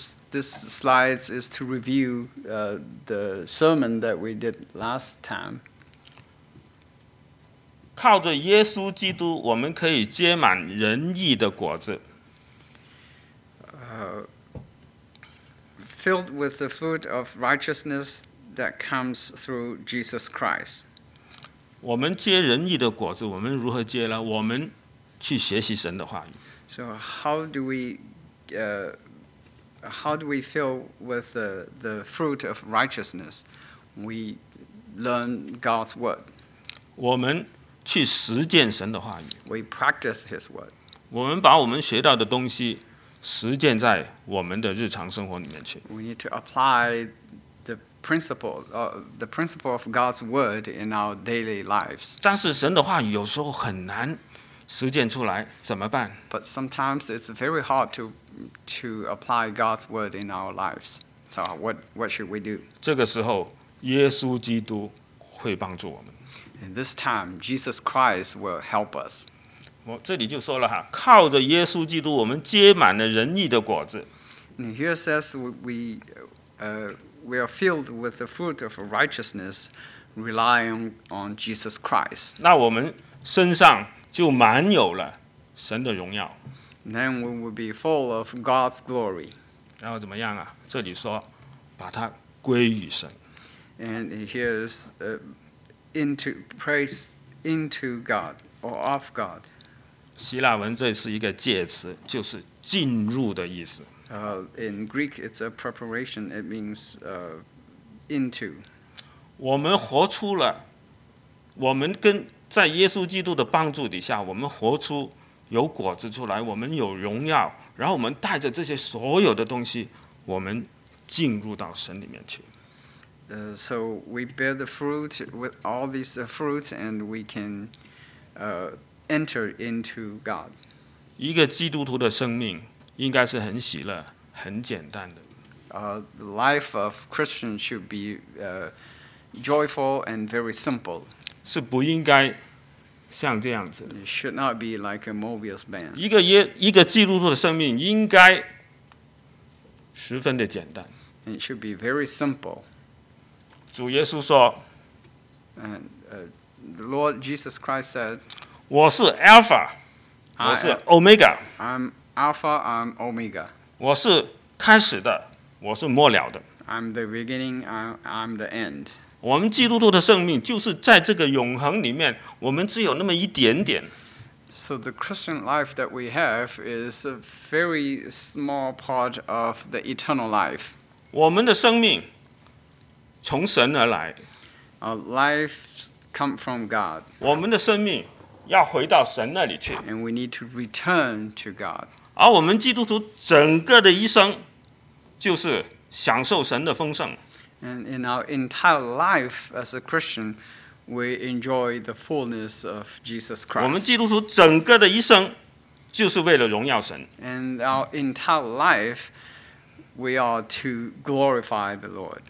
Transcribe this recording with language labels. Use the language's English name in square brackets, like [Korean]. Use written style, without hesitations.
[English] This slide is to review the sermon that we did last time. [Chinese] 靠着耶稣基督，我们可以结满仁义的果子。 [English] Filled with the fruit of righteousness that comes through Jesus Christ. [Chinese] 我们结仁义的果子，我们如何结呢？我们去学习神的话语。 [English] So how do we fill with the fruit of righteousness? We learn God's word. [Chinese] 我们去实践神的话语。 [English] We practice His word. [Chinese] 我们把我们学到的东西实践在我们的日常生活里面去。 [English] We need to apply the principle of God's word in our daily lives. [Chinese] 但是神的话语有时候很难实践出来，怎么办？ [English] But sometimes it's very hard to apply God's word in our lives. So what should we do? [Chinese] 这个时候，耶稣基督会帮助我们。 [English] In this time, Jesus Christ will help us. [Chinese] 我这里就说了哈，靠着耶稣基督，我们结满了仁义的果子。 [English] And here says we are filled with the fruit of righteousness, relying on Jesus Christ. [Chinese] 那我们身上就满有了神的荣耀。 [English] Then we will be full of God's glory. [Chinese] 然后怎么样啊？这里说，把它归于神。 [English] And here's praise into God or of God. [Chinese] 希腊文这是一个介词，就是进入的意思。 [English] In Greek, it's a preparation. It means into. [Chinese] 我们活出了，我们跟在耶稣基督的帮助底下，我们活出有果子出来，我们有荣耀，然后我们带着这些所有的东西，我们进入到神里面去。 [English] So we bear the fruit with all these fruits, and we can enter into God. [Chinese] 一个基督徒的生命应该是很喜乐、很简单的。 [English] The life of Christians should be joyful and very simple. [Chinese] 是不应该像这样子。 [English] It should not be like a Mobius band. [Chinese] 一个基督徒的生命应该十分的简单。 [English] It should be very simple. [Chinese] 主耶稣说 [English] ，The Lord Jesus Christ said, [Chinese] 我是 Alpha, 我是 Omega. [English] Alpha, I'm Omega. [Chinese] 我是开始的，我是末了的。 [English] I'm the beginning, I'm the end. [Chinese] 我们基督徒的生命就是在这个永恒里面，我们只有那么一点点。 [English] So the Christian life that we have is a very small part of the eternal life. [Chinese] 我们的生命从神而来。 [English] Our life comes from God. [Chinese] 我们的生命要回到神那里去。 [English] And we need to return to God. [Chinese] 而我们基督徒整个的一生就是享受神的丰盛。 [English] And in our entire life as a Christian, we enjoy the fullness of Jesus Christ. [Chinese] 我们基督徒整个的一生就是为了荣耀神。 [English] And our entire life, we are to glorify the Lord.